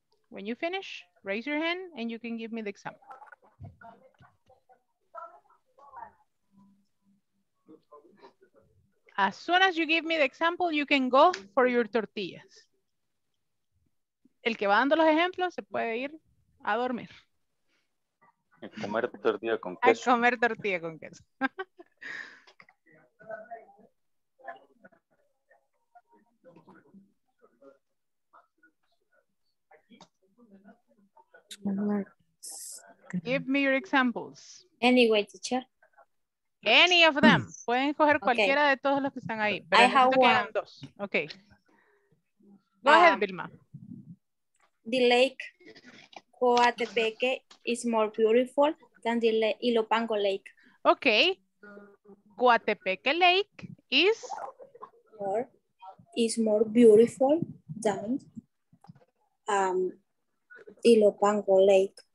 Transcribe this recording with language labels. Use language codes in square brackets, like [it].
[en] When you finish, raise your hand and you can give me the example. As soon as you give me the example, you can go for your tortillas. [es] El que va dando los ejemplos se puede ir a dormir. A comer tortilla con queso. [en] Give me your examples. Anyway, teacher. Any of them. [es] Pueden coger cualquiera de todos los que están ahí. [en] Pero I have one. Dos. Okay. Go ahead, Vilma. The lake Coatepeque is more beautiful than the Ilopango Lake. Okay. Coatepeque Lake is? More beautiful than Ilopango Lake.